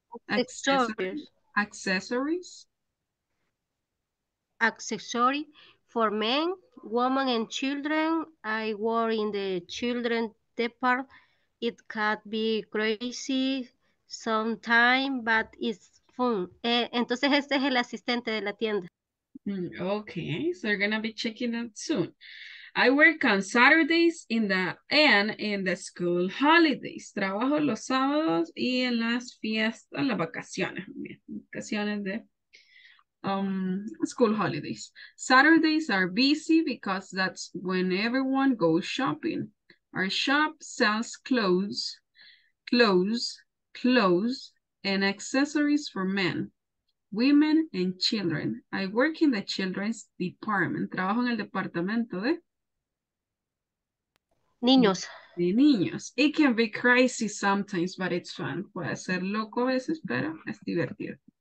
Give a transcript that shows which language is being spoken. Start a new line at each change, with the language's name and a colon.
English: accessories. Accessory for men, women, and children. I work in the children department. It can be crazy sometimes, but it's fun.
Spanish: Entonces, este es el asistente de la tienda.
English: Okay, so you're going to be checking it soon. I work on Saturdays in the and in the school holidays.
Spanish: Trabajo los sábados y en las fiestas, las vacaciones. Vacaciones de
English: school holidays. Saturdays are busy because that's when everyone goes shopping. Our shop sells clothes, and accessories for men, women, and children. I work in the children's department.
Spanish: Trabajo en el departamento de niños. De niños.
English: It can be crazy sometimes, but it's fun.
Spanish: Puede ser loco a veces, pero es divertido.